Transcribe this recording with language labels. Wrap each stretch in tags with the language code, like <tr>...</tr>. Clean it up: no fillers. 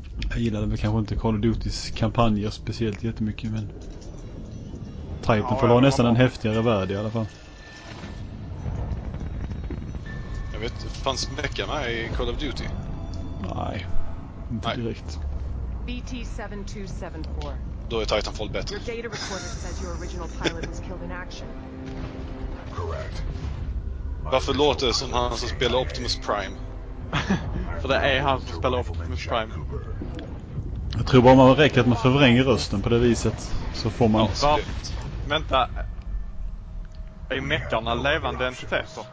<sv>Jag gillade väl kanske inte Call of Duty's kampanjer speciellt jättemycket, men... Titan får vara nästan en häftigare värld i alla fall. Jag vet, fanns mecha med i Call of Duty? Nej, inte direkt. BT-7274. Då är Titanfall bättre.</sv> <en>Your data recorder says your original pilot was killed in action. Correct.</en> <sv>Varför låter det som han som spelar Optimus Prime? För det är han som spelar Optimus Prime. Jag tror bara man räcker att man förvränger rösten på det viset så får man... Ja, vänta. Är meckarna levande entiteter?</sv>